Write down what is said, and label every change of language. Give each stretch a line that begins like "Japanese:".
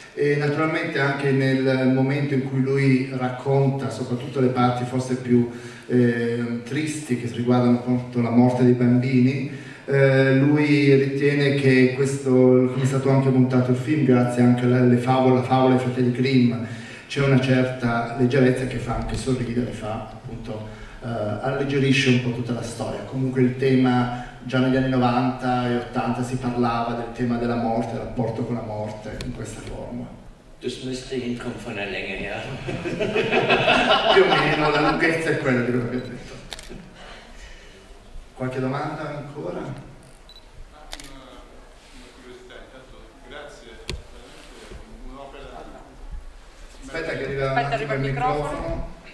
Italian: E naturalmente anche nel momento in cui lui racconta soprattutto le parti forse più tristi, che riguardano appunto la morte dei bambini, lui ritiene che questo, come è stato anche montato il film, grazie anche alle favole, la favola dei fratelli Grimm, c'è una certa leggerezza che fa anche sorridere, fa appunto, alleggerisce un po' tutta la storia. Comunque il tema, già negli anni 90 e 80 si parlava del tema della morte, del rapporto con la morte in questa forma.
German: Das müsste hinkommen von der Länge her.
Italian: Più o meno, la lunghezza è quella di quello che ho detto. Qualche domanda ancora? Una curiosità, intanto grazie, un'opera. Aspetta che arriva un attimo il microfono.